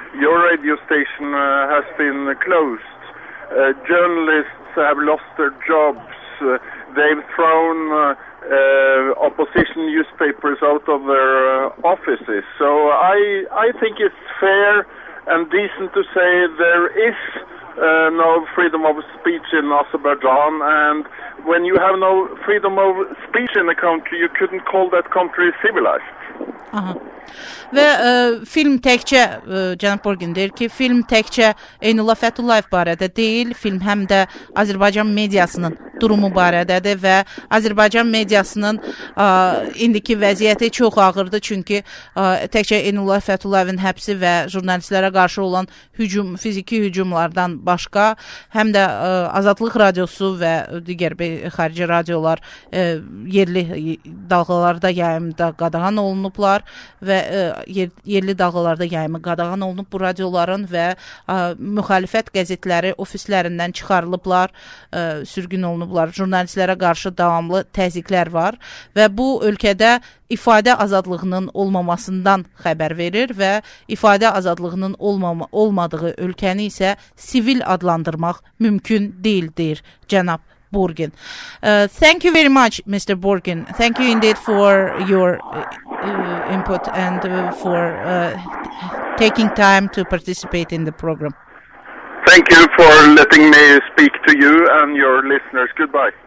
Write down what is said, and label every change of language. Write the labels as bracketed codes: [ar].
[en] Your radio station has been closed, journalists have lost their jobs, they've thrown opposition newspapers out of their offices. So I think it's fair and decent to say there is no freedom of speech in Azerbaijan, and when you have no freedom of speech in a country, you couldn't call that country civilized. [az] Və film təkcə, cənab Borgin deyir ki, film təkcə Eynullah Fətullayev barədə deyil, film həm də Azərbaycan mediasının durumu barədədir və Azərbaycan mediasının indiki vəziyyəti çox ağırdır, çünki təkcə Enullah Fətullayevin həbsi və jurnalistlərə qarşı olan hücum, fiziki hücumlardan başqa, həm də Azadlıq Radiosu və digər xarici radiolar yerli dalğalarda yayımda qadağan olunublar və yerli dalğalarda yayımı qadağan olunub bu radioların və müxalifət qəzetləri ofislərindən çıxarılıblar, sürgün olunublar, jurnalistlərə qarşı davamlı təzyiqlər var və bu ölkədə ifadə azadlığının olmamasından xəbər verir və ifadə azadlığının olmadığı ölkəni isə sivil adlandırmaq mümkün deyildir, cənab Borgin. [en] Thank you very much, Mr. Borgin. Thank you indeed for your input and for taking time to participate in the program. Thank you for letting me speak to you and your listeners. Goodbye.